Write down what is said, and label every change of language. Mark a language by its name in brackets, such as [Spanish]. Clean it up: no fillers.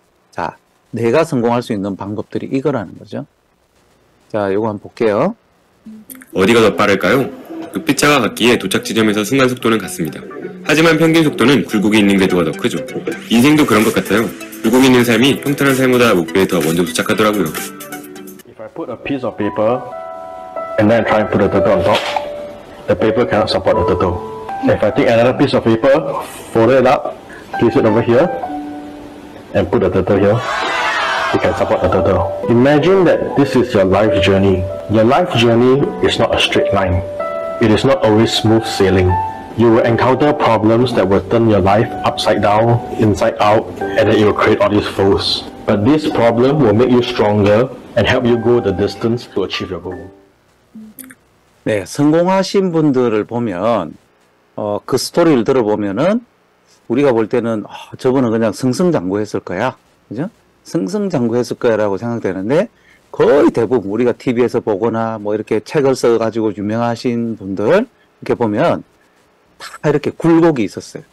[Korean] 자, 내가 성공할 수 있는 방법들이 이거라는 거죠. 자, 요거 한번 볼게요. 어디가 더 빠를까요? 급빛차가 같기에 도착 지점에서 순간 속도는 같습니다. 하지만 평균 속도는 굴곡이 있는 궤도가 더 크죠. 인생도 그런 것 같아요. 굴곡이 있는 삶이 평탄한 삶보다 목표에 더 먼저 도착하더라고요. [English] If I put a piece of paper and then try and put a turtle on top, the paper cannot support the turtle. If I take another piece of paper, fold it up, place it over here, and put the turtle here, it can support the turtle. Imagine that this is your life journey. Your life journey is not a straight line. It is not always smooth sailing. You will encounter problems that will turn your life upside down, inside out, and then it will create all these foes. But this problem will make you stronger and help you go the distance to achieve your goal. [Korean] 네, 성공하신 분들을 보면 그 스토리를 들어보면은 우리가 볼 때는 저분은 그냥 승승장구했을 거야, 그죠? 승승장구했을 거야라고 생각되는데 거의 대부분 우리가 TV에서 보거나 뭐 이렇게 책을 써가지고 유명하신 분들 이렇게 보면 다 이렇게 굴곡이 있었어요.